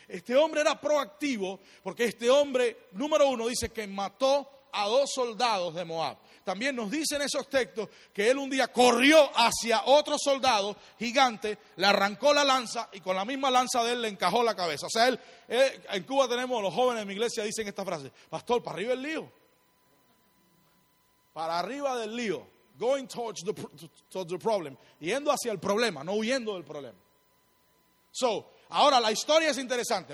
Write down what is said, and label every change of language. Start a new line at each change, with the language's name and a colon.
Spanish: Este hombre era proactivo porque este hombre, número uno, dice que mató a dos soldados de Moab. También nos dicen esos textos que él un día corrió hacia otro soldado gigante, le arrancó la lanza y con la misma lanza de él le encajó la cabeza. O sea, él en Cuba tenemos, los jóvenes en mi iglesia dicen esta frase, pastor, para arriba del lío. Para arriba del lío.
English: Going towards the problem.
Spanish: Yendo hacia el problema, no huyendo del problema. So, ahora la historia es interesante.